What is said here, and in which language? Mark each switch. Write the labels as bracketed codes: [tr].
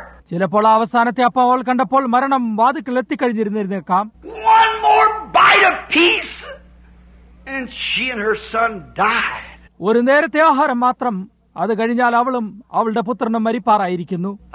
[ml] ചിലപ്പോൾ അവസാനത്തെ അപ്പം അവൾ കണ്ടപ്പോൾ മരണം വാതിക്കൽ എത്തിക്കഴിഞ്ഞിരുന്നേക്കാം. [en] One more bite of peace and she and her son died. [ml] ഒരു നേരത്തെ ആഹാരം മാത്രം, അത് കഴിഞ്ഞാൽ അവളും അവളുടെ പുത്രനും മരിപ്പാറായിരിക്കുന്നു.